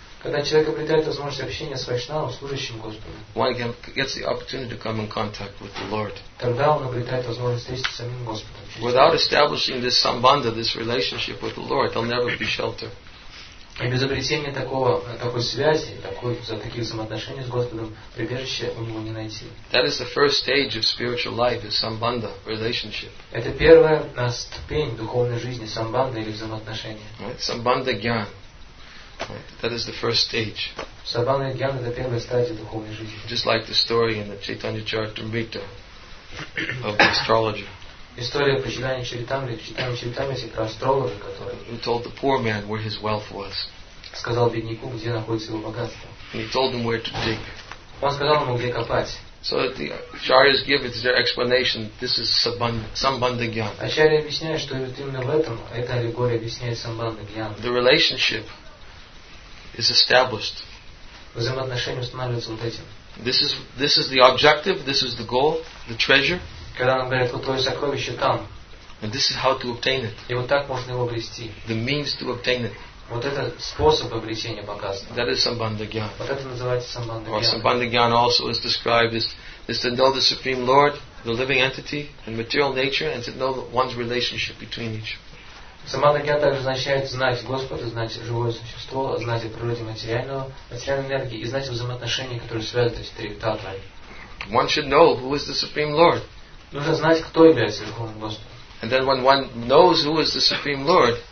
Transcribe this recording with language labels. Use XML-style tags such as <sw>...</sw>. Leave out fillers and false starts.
<ru>когда человек обретает возможность общения с вайшнавом, служащим Господу,</ru> <en>one gets the opportunity to come in contact with the Lord.</en> <ru>Тогда он обретает возможность встретиться с самим Господом.</ru> <en>Without establishing this sambandha, this relationship with the Lord, there'll never be shelter.</en> <ru>И без обретения такой связи, таких взаимоотношений с Господом, прибежище у него не найти.</ru> <en>That is the first stage of spiritual life, is sambandha, relationship.</en> <ru>Это первая ступень духовной жизни, самбанда или взаимоотношения.</ru> <en>Самбанда гьян. That is the first stage.</en> <ru>Самбанда гьян – это первая стадия духовной жизни.</ru> <en>Just like the story in the Chaitanya Charitamrita of the astrologer.</en> <ru>История про Чайтанью Чаритамриту про астролога, который</ru> <en>he told the poor man where his wealth was.</en> <ru>Сказал бедняку, где находится его богатство.</ru> <en>And he told him where to dig.</en> <ru>Он сказал ему, где копать.</ru> <en>So the acharyas give it their explanation. This is sambandha gyan.</en> <ru>Ачарья объясняет, что именно в этом эта аллегория объясняет самбанда гьян.</ru> <en>The relationship is established.</en> <ru>Взаимоотношения устанавливаются вот этим.</ru> <en>This is the objective. This is the goal. The treasure.</en> <ru>Когда нам говорят, вот твое сокровище там.</ru> <en>And this is how to obtain it.</en> <ru>И вот так можно его обрести.</ru> <en>The means to obtain it.</en> <ru>Вот это способ обретения богатства.</ru> <en>That is sambandha gyan.</en> <ru>Вот это называется самбандха гьян.</ru> <en>Or sambandha gyan also is described as to know the supreme Lord, the living entity, and material nature, and to know one's relationship between each.</en> <ru>Самбандха гьян также означает знать Господа, знать живое существо, знать о природе материальной энергии и знать взаимоотношения, которые связывают эти три татвы.</ru> <en>One should know who is the supreme Lord.</en> <ru>Нужно знать, кто является Верховным Господом.</ru> <en>And then when one knows who is the Supreme Lord,</en>